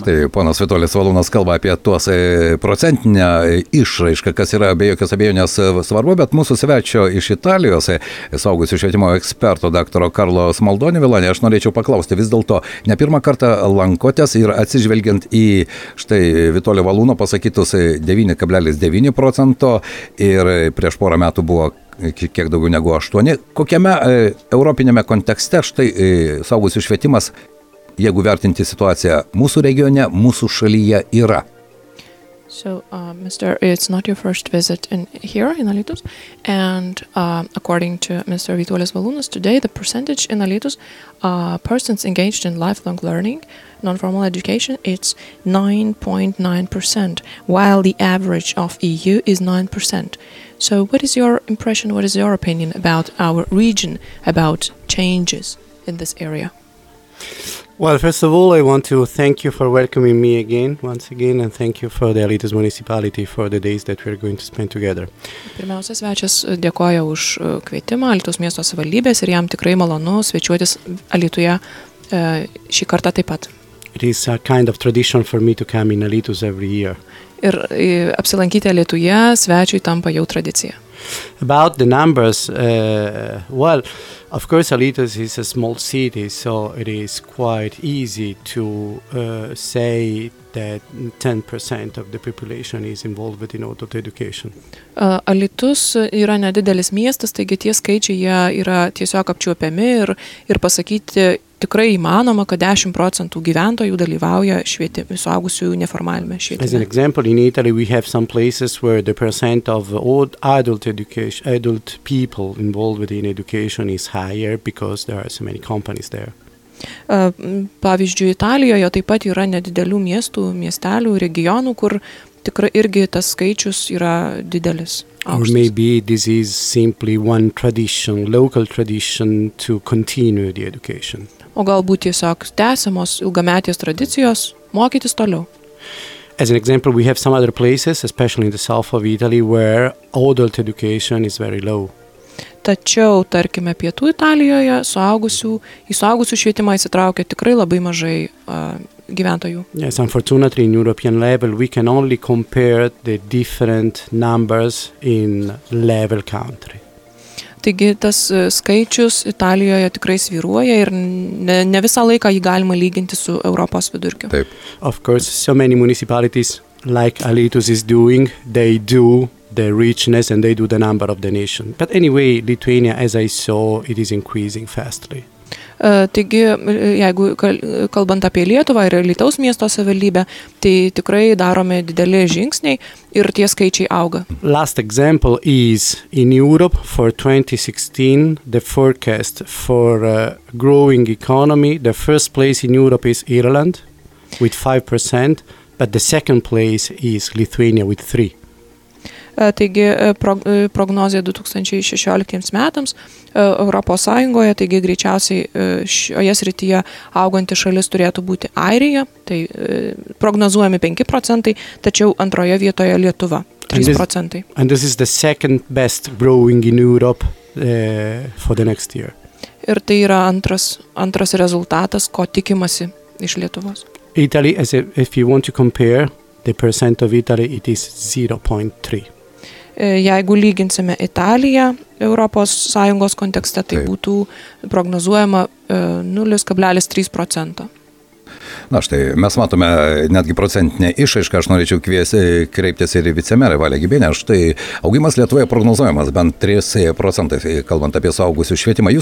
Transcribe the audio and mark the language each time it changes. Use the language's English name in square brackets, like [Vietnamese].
[Lithuanian] Štai, ponas Vitolis Valūnas kalba apie tuos procentinę išraišką, kas yra be jokios abejonės svarbu, bet mūsų svečio iš Italijos, saugusių švietimo eksperto daktaro Karlo Smaldoni Vilani, aš norėčiau paklausti, vis dėlto ne pirmą kartą lankotės ir atsižvelgiant į štai Vitolio Valūno pasakytus 9,9 procento ir prieš porą metų buvo kiek daugiau negu 8. Kokiame europinėme kontekste štai saugusių švietimas, jeigu vertinti situaciją mūsų regione, mūsų šalyje yra? [English] So, Mr. It's not your first visit in here in Alytus, and according to Mr. Vitolis Valūnas, today the percentage in Alytus persons engaged in lifelong learning, non-formal education, it's 9.9%, while the average of EU is 9%. So, what is your impression, what is your opinion about our region, about changes in this area? Well, first of all, I want to thank you for welcoming me again, once again, and thank you for the Alytus municipality for the days that we're going to spend together. [Lithuanian] Pirmiausia, svečias dėkoja už kvietimą Alytus miesto savivaldybės ir jam tikrai malonu svečiuotis Alytuje šį kartą taip pat. [English] It is a kind of tradition for me to come in Alytus every year. [Lithuanian] Ir apsilankyti Alytuje svečiui tampa jau tradicija. [English] About the numbers, well, of course, Alytus is a small city, so it is quite easy to say that 10% of the population is involved in adult education. [Lithuanian] Alytus yra nedidelis miestas, taigi tie skaičiai jie yra tiesiog apčiuopiami ir pasakyti tikrai įmanoma, kad 10 procentų gyventojų dalyvauja suaugusių neformalime švietime. [English] As an example, in Italy we have some places where the percent of old adult education, adult people involved in education is higher because there are so many companies there. [Lithuanian] Pavyzdžiui, Italijoje taip pat yra nedidelių miestelių, regionų, kur tikrai irgi tas skaičius yra didelis. [English] Or maybe this is simply one tradition, local tradition to continue the education. [Lithuanian] o galbūt tiesiog tęsiamos ilgametės tradicijos mokytis toliau. [English] As an example, we have some other places, especially in the south of Italy, where adult education is very low. [Lithuanian] Tačiau, tarkime, pietų Italijoje suaugusių švietimą įsitraukia tikrai labai mažai gyventojų. [English] Yes, unfortunately, in European level, we can only compare the different numbers in level country. [Lithuanian] Taigi, tas skaičius Italijoje tikrai svyruoja ir ne visą laiką jį galima lyginti su Europos vidurkiu. Taip. [English] Of course, so many municipalities, like Alitus is doing, they do the richness and they do the number of the nation. But anyway, Lithuania, as I saw, it is increasing fastly. [Lithuanian] Taigi, jeigu kalbant apie Lietuvą ir Alytaus miesto savivaldybę, tai tikrai darome dideli žingsniai ir tie skaičiai auga. [English] Last example is in Europe for 2016, the forecast for growing economy, the first place in Europe is Ireland with 5%, but the second place is Lithuania with 3%. [Lithuanian] Taigi prognozė 2016 metams Europos Sąjungoje, taigi greičiausiai šioje srityje auganti šalis turėtų būti Airija, tai prognozuojami 5%, tačiau antroje vietoje Lietuva 3%. [English] And this is the second best growing in Europe for the next year. [Lithuanian] Ir tai yra antras rezultatas, ko tikimasi iš Lietuvos. [English] Italy, as if you want to compare the percent of Italy, it is 0.3. [Lithuanian] Jeigu lyginsime Italiją Europos Sąjungos kontekste, tai būtų prognozuojama 0,3%. Na štai, mes matome netgi procentinę išaišką, aš norėčiau kreiptis ir į vicemerę Valią Gibienę, štai augimas Lietuvoje prognozuojamas bent 3%, kalbant apie suaugusių švietimą.